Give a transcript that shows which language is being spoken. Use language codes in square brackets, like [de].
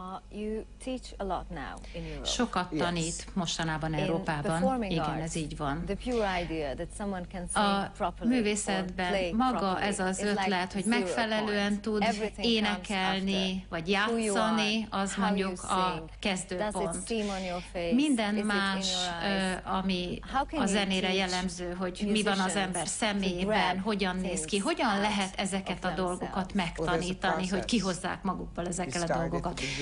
[en] You teach a lot now in Europe. [hu] Sokat tanít mostanában Európában. Igen, ez így van. [en] The pure idea that someone can sing [hu] a művészetben maga ez az ötlet, hogy megfelelően tud énekelni, vagy játszani, az mondjuk a kezdőpont. Minden más, ami a zenére jellemző, hogy mi van az ember személyében, hogyan néz ki, hogyan lehet ezeket a dolgokat megtanítani, hogy kihozzák magukból ezekkel a dolgokat.